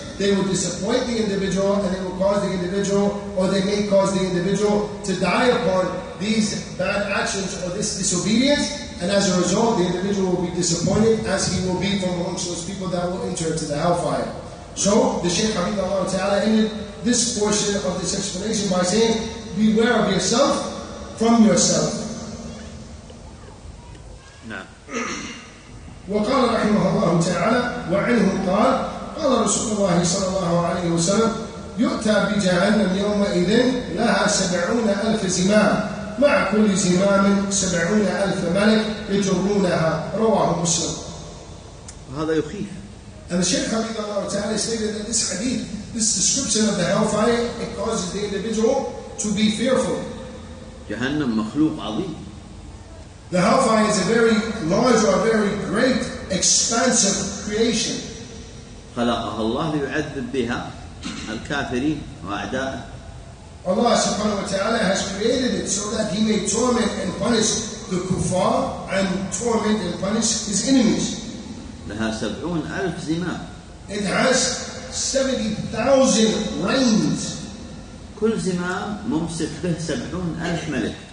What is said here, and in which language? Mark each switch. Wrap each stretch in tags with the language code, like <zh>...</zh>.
<en>they will disappoint the individual, and they will cause the individual, or they may cause the individual to die upon these bad actions or this disobedience, and as a result, the individual will be disappointed, as he will be from amongst those people that will enter into the hellfire. So, the Shaykh Hafidhahullah Ta'ala ended this portion of this explanation by saying, beware of yourself from yourself.</en> <ar>وقال رحمه الله تعالى وعنه قال قال رسول الله صلى الله عليه وسلم يؤتى بجهنم يومئذ لها 70,000 زمام مع كل زمام 70,000 ملك يجرونها رواه مسلم. وهذا يخيف.</ar> <en>And the Shaykh</en> <ar>حفظه الله تعالى</ar> <en>stated that this hadith, this description of the hellfire, it causes the individual to be fearful.</en> <ar>جهنم مخلوق عظيم.</ar> <en>The hellfire is a very large or a very great expansive creation.</en> <ar>خلقها الله ليعذب بها الكافرين وأعداءه.</ar> <en>Allah subhanahu wa ta'ala has created it so that he may torment and punish the kuffar and torment and punish his enemies.</en> <ar>لها 70,000 زمام.</ar> <en>It has 70,000 reigns.</en> <ar>كل زمام ممسك به 70,000 ملك.</ar>